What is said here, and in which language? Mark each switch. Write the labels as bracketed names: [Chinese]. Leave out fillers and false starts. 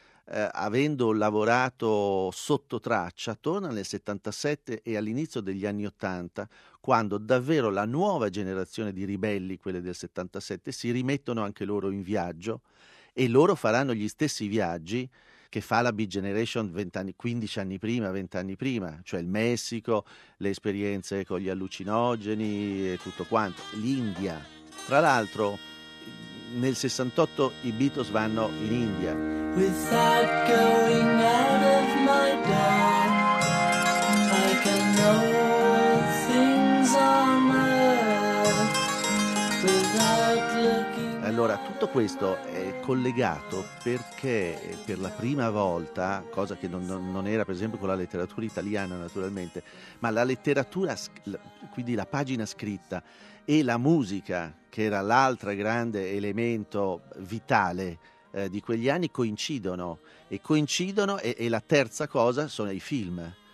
[Italian] avendo lavorato sotto traccia, torna nel 77 e all'inizio degli anni 80, quando davvero la nuova generazione di ribelli, quelle del 77, si rimettono anche loro in viaggio, e loro faranno gli stessi viaggi che fa la Beat Generation 20 anni prima, cioè il Messico, le esperienze con gli allucinogeni e tutto quanto, l'India. Tra l'altro, nel 68 i Beatles vanno in India. [English] Without going out of my door, I can know things on earth without looking. [Italian] Allora, tutto questo è collegato perché per la prima volta, cosa che non era per esempio con la letteratura italiana naturalmente, ma la letteratura, quindi la pagina scritta, e la musica, che era l'altro grande elemento vitale di quegli anni, coincidono, e la terza cosa sono i film.